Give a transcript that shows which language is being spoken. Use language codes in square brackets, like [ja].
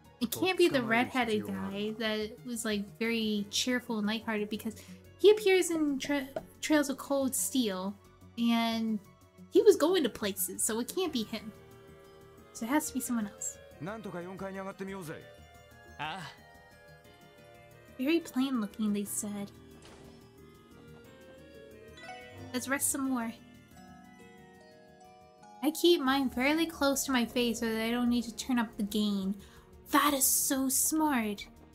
[en] It can't be the redheaded guy that was like very cheerful and lighthearted because he appears in Trails of Cold Steel and he was going to places, so it can't be him. So it has to be someone else. [ja] なんとか4階に上がってみようぜ。ああ。 [en] Very plain looking, they said. Let's rest some more. I keep mine fairly close to my face so that I don't need to turn up the gain. That is so smart.